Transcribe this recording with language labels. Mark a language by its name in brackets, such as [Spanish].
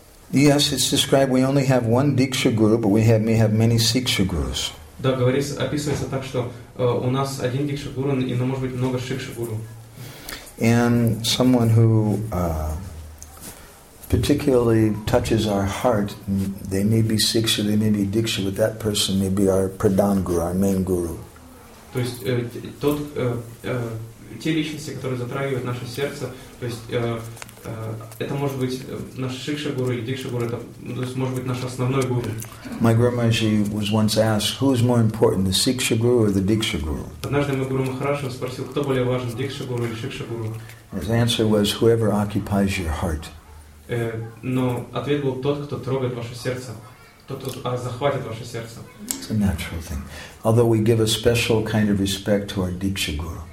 [English] Yes, it's described we only have one Diksha Guru, but we have many Siksha Gurus. [Russian] Да, говорится, описывается так, что у нас один Диксха Гуру, и но может быть много Шикша Гуру. [English] And someone who particularly touches our heart, they may be Siksha, they may be Diksha, but that person may be our Pradhan Guru, our main Guru. [Russian] То есть тот те личности, которые затрагивают наше сердце, то есть это может быть наш Шикша Гуру или Дикша Гуру, то есть может быть наш основной Гуру. [English] My grandmother was once asked, who is more important, the Siksha Guru or the Diksha Guru? [Russian] Однажды мой Гуру Махарадж спросил, кто более важен, Дикша Гуру или Шикша Гуру? [English] His answer was, whoever occupies your heart. [Russian] Но ответ был тот, кто трогает ваше сердце. Тот, [English] it's a natural thing. Although we give a special kind of respect to our Diksha Guru.